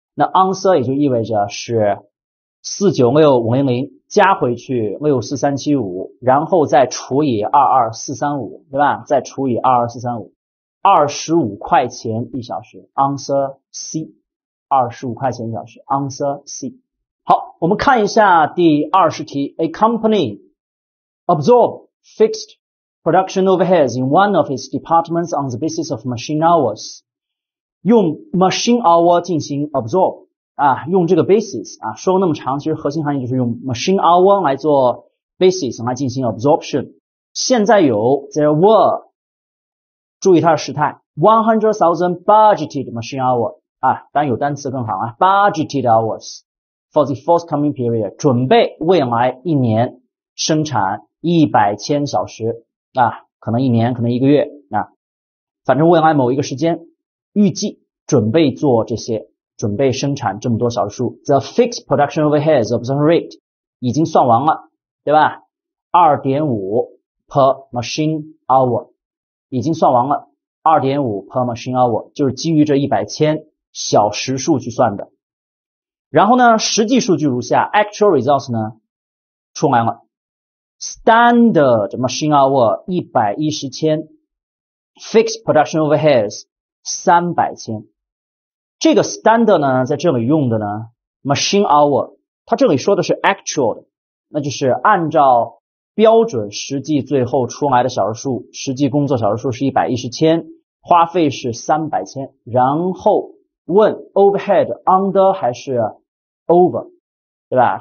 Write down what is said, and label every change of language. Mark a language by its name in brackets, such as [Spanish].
[Chinese] 那 answer 也就意味着是496500加回去64375，然后再除以22435，对吧？再除以22435，25块钱一小时。 Answer C， 25块钱一小时。 Answer C。 好，我们看一下第20题。 [English] A company absorb fixed production overheads in one of its departments on the basis of machine hours。 [Chinese] 用 machine hour 进行 absorb。啊，用这个 basis 啊，说那么长，其实核心含义就是用 machine hour 来做 basis 来进行 absorption。现在有 [English] there were， [Chinese] 注意它的时态 100,000 budgeted machine hour 啊，当然有单词更好啊， [English] budgeted hours for the forthcoming period， [Chinese] 准备未来一年生产100,000小时啊，可能一年，可能一个月啊，反正未来某一个时间预计准备做这些。准备生产这么多小数 ， [English] the fixed production overheads absorption rate [Chinese] 已经算完了，对吧？ 2.5 per machine hour 已经算完了， 2.5 per machine hour 就是基于这100,000小时数去算的。然后呢，实际数据如下 [English] ，actual results [Chinese] 呢出来了 [English] ，standard machine hour 110,000 ，fixed production overheads 300,000。 [Chinese] 这个 standard 呢在这里用的呢 machine hour， 它这里说的是 actual 的，那就是按照标准实际最后出来的小时数，实际工作小时数是110,000，花费是300,000，然后问 overhead under 还是 over， 对吧？